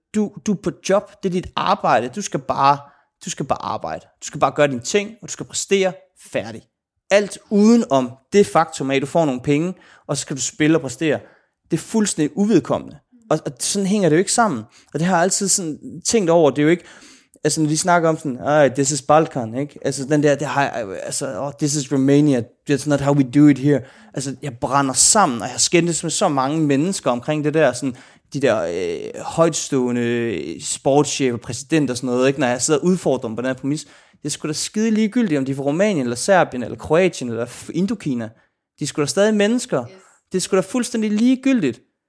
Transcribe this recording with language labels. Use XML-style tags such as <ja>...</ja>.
<da>Du er på job, det er dit arbejde, du skal bare arbejde. Du skal bare gøre dine ting, og du skal præstere færdig. Alt uden om det faktum af, at du får nogle penge, og så skal du spille og præstere, det er fuldstændig uvedkommende. Og sådan hænger det jo ikke sammen. Og det har jeg altid sådan tænkt over, det er jo ikke... Altså når de snakker om sådan,</da> <en>this is Balkan,</en> <da>ikke? Altså den der, det har, altså,</da> <en>this is Romania, that's not how we do it here.</en> <da>Altså jeg brænder sammen, og jeg skændtes med så mange mennesker omkring det der, sådan de der højtstående sportschefer, præsident og sådan noget, ikke? Når jeg sidder og udfordrer dem på den her præmis. Det er sgu da skide ligegyldigt, om de er fra Rumænien, eller Serbien, eller Kroatien, eller Indokina. De er sgu da stadig mennesker. Yes. Det er sgu da fuldstændig ligegyldigt.</da>